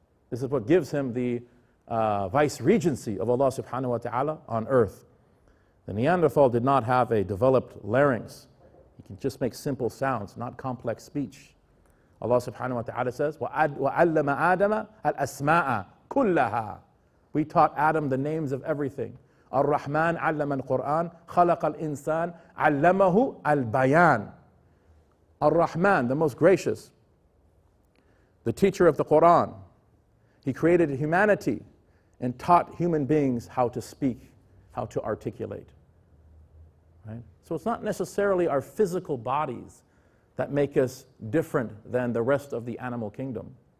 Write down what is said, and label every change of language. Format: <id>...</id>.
<en>This is what gives him the vice regency of Allah subhanahu wa ta'ala on earth. The Neanderthal did not have a developed larynx. He can just make simple sounds, not complex speech.</en> <ar>Allah subhanahu wa ta'ala</ar> <en>says,</en> <ar>وَعَلَّمَ آدَمَ الْأَسْمَاءَ كُلَّهَا.</ar> <en>We taught Adam the names of everything.</en> <ar>الرحمن علم القرآن خلق الإنسان علمه البيان.</ar> <en>الرحمن, the most gracious, the teacher of the Quran. He created humanity and taught human beings how to speak, how to articulate. Right? So it's not necessarily our physical bodies that make us different than the rest of the animal kingdom.</en>